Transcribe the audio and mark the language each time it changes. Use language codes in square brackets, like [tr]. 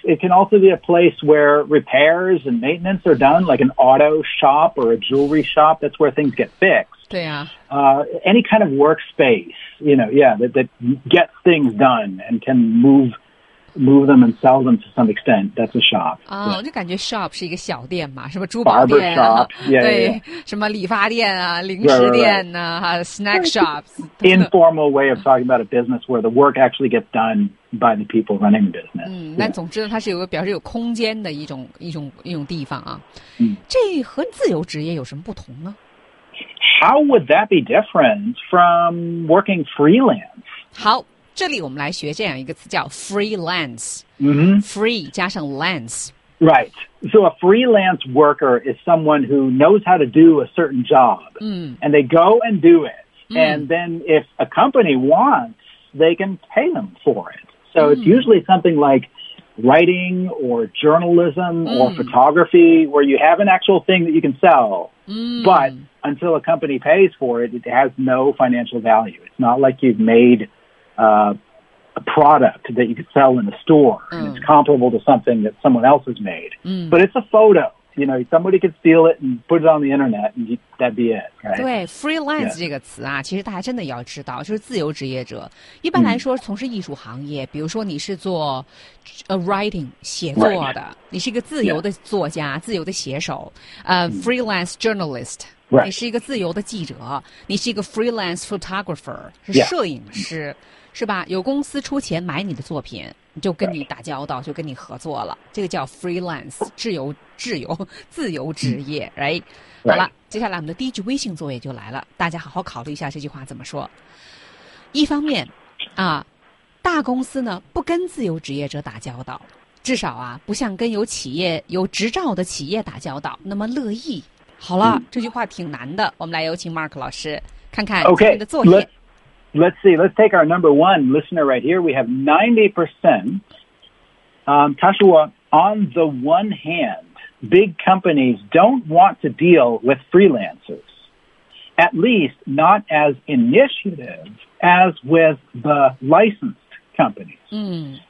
[en] It can also be a place where repairs and maintenance are done, like an auto shop or a jewelry shop. That's where things get fixed. [zh] 对呀、啊。 [en] Any kind of workspace, you know, yeah, that gets things done and can move them and sell them to some extent. That's a shop. [zh] 啊、oh, ，我就感觉 shop 是一个小店嘛，什么珠宝店、啊、 [en] shop, [zh] 对， [en] yeah, yeah, yeah. [zh] 什么理发店啊，零食店呢、啊，哈、 [en] right, right. ，snack shops. Informal way of talking about a business where the work actually gets done by the people running the business. 嗯， yeah. [zh] 但总之呢，它是有个表示有空间的一种地方啊。嗯，这和自由职业有什么不同呢 [en] ？How would that be different from working freelance? [zh] 好。这里我们来学这样一个词叫 freelance、 mm-hmm. free 加上 lance [en] right so a freelance worker is someone who knows how to do a certain job、 mm. and they go and do it、mm. and then if a company wants they can pay them for it so、mm. it's usually something like writing or journalism、mm. or photography where you have an actual thing that you can sell、 mm. but until a company pays for it it has no financial value it's not like you've madeA product that you could sell in a store.、 Mm. It's comparable to something that someone else has made.、 Mm. But it's a photo. You know, somebody could steal it and put it on the internet and that'd be it, right? [zh] 对 freelance、 [en] yeah. [zh] 这个词啊其实大家真的要知道就是自由职业者。一般来说从事艺术行业、mm. 比如说你是做 writing, 写作的、 [en] right. [zh] 你是一个自由的作家、 [en] yeah. [zh] 自由的写手、freelance journalist,、 [en] right. [zh] 你是一个自由的记者你是一个 freelance photographer, 是摄影师。 [en] Yeah. [zh] 是吧有公司出钱买你的作品就跟你打交道、 [en] right. [zh] 就跟你合作了这个叫 freelance 自由职业、mm. right? 好了接下来我们的第一句微信作业就来了大家好好考虑一下这句话怎么说一方面啊，大公司呢不跟自由职业者打交道至少啊不像跟有企业有执照的企业打交道那么乐意好了、mm. 这句话挺难的我们来有请 Mark 老师看看今天的作业、 [en] okay. Let's see. Let's take our number one listener right here. We have 90%. Tashua, on the one hand, big companies don't want to deal with freelancers, at least not as initiative as with the licensed companies.